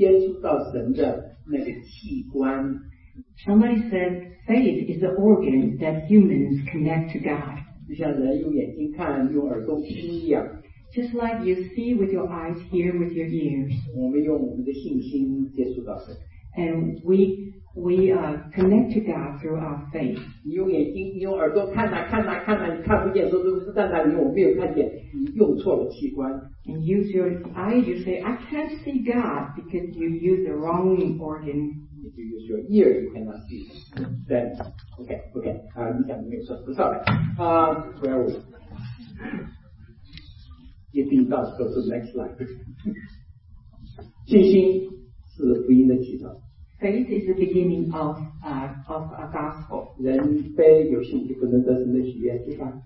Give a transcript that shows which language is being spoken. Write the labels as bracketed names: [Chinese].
[Chinese] 有人说信心是一种人接触到神的那个器官。 [English] Somebody said faith is the organ that humans connect to God. [Chinese] 就像人用眼睛看，用耳朵听一样。 [English] Just like you see with your eyes, hear with your ears. [Chinese] 我们用我们的信心接触到神。 [English] And we connect to God through our faith. [Chinese] 你用眼睛，你用耳朵看哪看哪看哪，你看不见，说这个是站在那里，我没有看见，你用错了器官。 [English] And use your eye, you say, I can't see God because you use the wrong organ. If you use your ear, you cannot see. Then, okay. [Chinese] 你讲的没有错，不错。 [English] Where are we? [Chinese] 一定到时候是 [English] next slide. [Chinese] 信心是福音的起头。 [English] Faith is the beginning of a gospel. [Chinese] 人非有信就不能得神的喜悦，对吧？